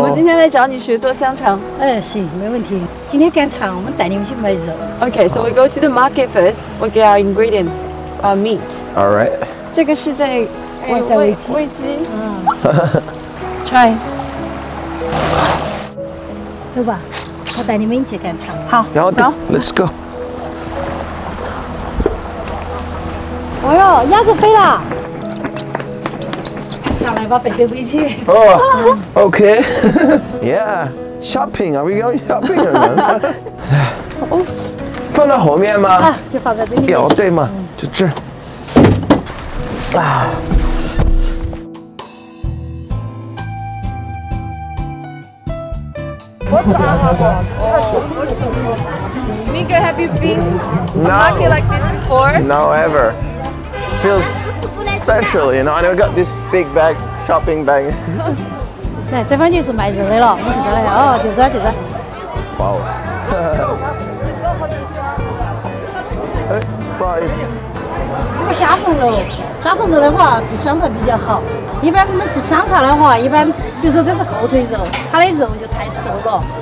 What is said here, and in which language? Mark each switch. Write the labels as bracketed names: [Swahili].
[Chinese] 我们今天来找你学做香肠。哎，行，没问题。今天赶场，我们带你们去买肉。 [English] Okay, so we go to the market first. We get our ingredients, our meat. All right. [Chinese] 这个是在外在味精。味精。 [English] Try. [Chinese] 走吧，我带你们去赶场。好，然后走 ， [English] Let's go. [Chinese] 哎呦，鸭子飞了！下来吧，别回去。 [English] OK. Yeah, shopping. Are we going shopping? [Chinese] 放到后面吗？啊，就放在这里。要对吗？就这。啊。 [English] Miguel, have you been to a market like this before? No, ever. Feels special, you know. I never got this big bag, shopping bag. [Chinese] 来，这房间是卖肉的了，我们就在那里。哦，就这儿，就这儿。哇哦！哎，不好意思。这个夹缝肉，夹缝肉的话做香肠比较好。一般我们做香肠的话，一般比如说这是后腿肉，它的肉就太瘦了。